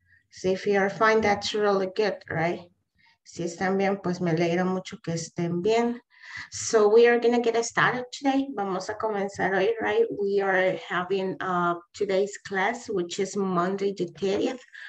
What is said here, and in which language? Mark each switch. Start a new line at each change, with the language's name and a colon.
English: So if you are fine, that's really good, right?
Spanish: Si están bien, pues me alegro mucho que estén bien.
English: So we are going to get started today.
Spanish: Vamos a comenzar hoy,
English: right? We are having today's class, which is Monday the 30th.